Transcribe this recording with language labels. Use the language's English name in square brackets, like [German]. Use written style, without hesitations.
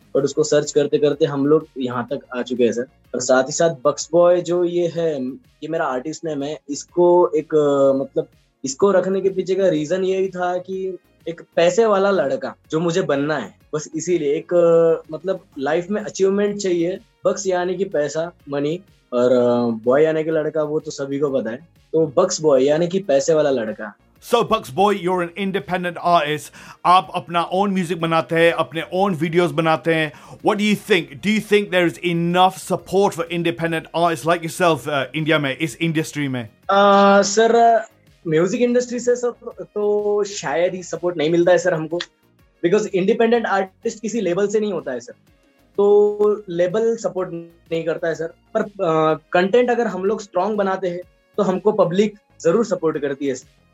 [Hindi] और उसको सर्च करते करते हम लोग यहाँ तक आ चुके हैं सर. और साथ ही साथ बक्स बॉय जो ये है ये मेरा आर्टिस्ट नेम है, इसको एक मतलब इसको रखने के पीछे का रीजन ये ही था कि एक पैसे वाला लड़का जो मुझे बनना है, बस इसीलिए. एक मतलब लाइफ में अचीवमेंट चाहिए, बक्स यानी कि पैसा मनी और बॉय यानी कि लड़का, वो तो सभी को पता है. तो बक्स बॉय यानी कि पैसे वाला लड़का. [English] So Bucks Boy, you're an independent artist. [Hindi] आप अपना own music बनाते हैं, अपने own videos बनाते हैं. [English] What do you think? Do you think there is enough support for independent artists like yourself, [Hindi] India में, इस industry में? Sir, music industry से सब तो शायद ही support नहीं मिलता है सर हमको, [English] because independent artist [Hindi] किसी label से नहीं होता है सर. तो label support नहीं करता है सर. पर content अगर हम लोग strong बनाते हैं, तो हमको public जरूर support करती है सर.